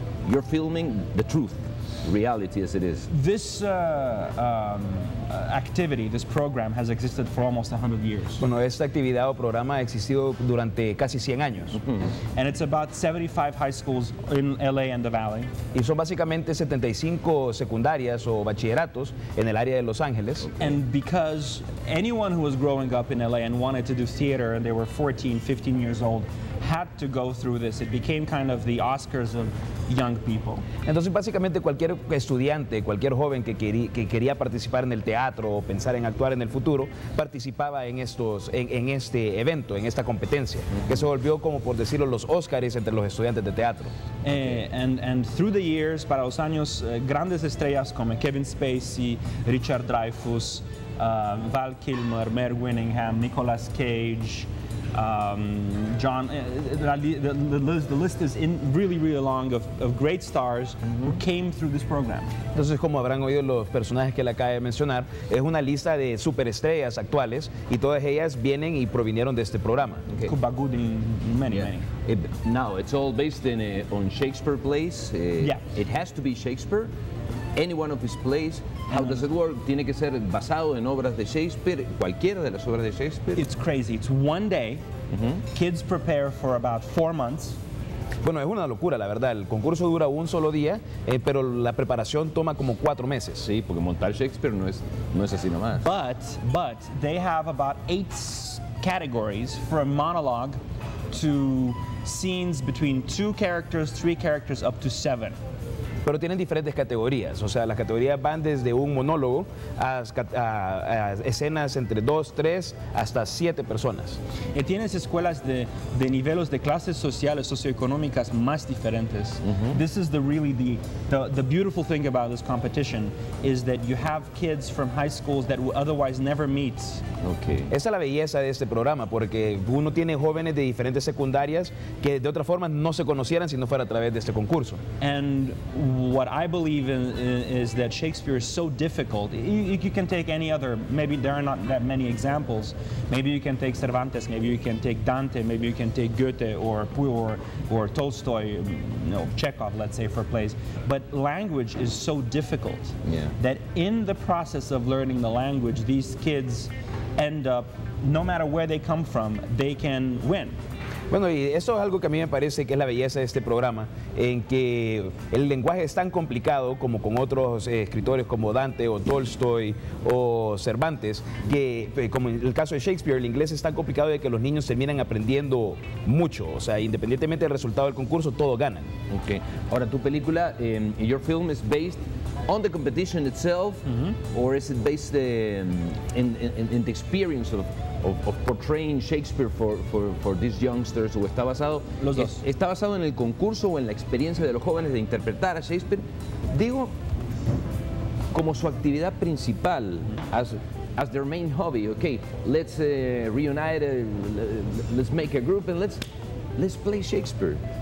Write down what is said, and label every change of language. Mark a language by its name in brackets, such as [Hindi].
[English] You're filming the truth, reality as it is. This activity, this program has existed for almost 100 years. [Spanish] Bueno, esta actividad o programa ha existido durante casi 100 años. Mm-hmm. [English] And it's about 75 high schools in LA and the Valley. [Spanish] Y son básicamente 75 secundarias o bachilleratos en el área de Los Ángeles. [English] Okay. And because anyone who was growing up in LA and wanted to do theater and they were 14, 15 years old, had to go through this. It became kind of the Oscars of young people. [Spanish] Entonces, básicamente, cualquier estudiante, cualquier joven que quería participar en el teatro o pensar en actuar en el futuro, participaba en este evento, en esta competencia, mm-hmm. que se volvió, como por decirlo, los Oscars entre los estudiantes de teatro. [English] Okay. And through the years, [Spanish] para los años, grandes estrellas como [English] Kevin Spacey, Richard Dreyfuss, Val Kilmer, Mare Winningham, Nicolas Cage, John, the list is in really, really long of great stars, mm-hmm. who came through this program. [Spanish] Entonces, como habrán oído los personajes que le acabo de mencionar, es una lista de superestrellas actuales y todas ellas vienen y provinieron de este programa. [English] Okay. Cuba Gooding, many, yeah. many. Now, it's all based on Shakespeare plays. It has to be Shakespeare. Any one of his plays, how does it work? [Spanish] Tiene que ser basado en obras de Shakespeare, cualquiera de las obras de Shakespeare. [English] It's crazy. It's one day. Mm-hmm. Kids prepare for about 4 months. [Spanish] Bueno, es una locura, la verdad. El concurso dura un solo día, pero la preparación toma como 4 meses. Sí, porque montar Shakespeare no es así nomás. [English] But they have about 8 categories for a monologue to scenes between 2 characters, 3 characters, up to 7. [Spanish] Pero tienen diferentes categorías, o sea, las categorías van desde un monólogo a escenas entre 2, 3, hasta 7 personas. Y tienes escuelas de niveles de clases sociales, socioeconómicas más diferentes. Mm-hmm. [English] This is the beautiful thing about this competition is that you have kids from high schools that would otherwise never meet. Okay. [Spanish] Esa es la belleza de este programa, porque uno tiene jóvenes de diferentes secundarias que de otra forma no se conocieran si no fuera a través de este concurso. [English] And what I believe in is that Shakespeare is so difficult. You can take any other, maybe there are not that many examples. Maybe you can take Cervantes, maybe you can take Dante, maybe you can take Goethe or Poe or Tolstoy, you know, Chekhov, let's say, for plays. But language is so difficult, yeah. that in the process of learning the language, these kids end up, no matter where they come from, they can win. [Spanish] Bueno, y eso es algo que a mí me parece que es la belleza de este programa, en que el lenguaje es tan complicado como con otros escritores como Dante o Tolstoy o Cervantes, que como en el caso de Shakespeare, el inglés es tan complicado de que los niños terminan aprendiendo mucho, o sea, independientemente del resultado del concurso, todos ganan. [English] Okay. [Spanish] Ahora, tu película, [English] your film is based on the competition itself, mm-hmm. or is it based in the experience of portraying Shakespeare for these youngsters, [Spanish] o está basado los dos. Está basado en el concurso o en la experiencia de los jóvenes de interpretar a Shakespeare, digo, como su actividad principal, [English] as as their main hobby. Okay, let's reunite, let's make a group, and let's play Shakespeare.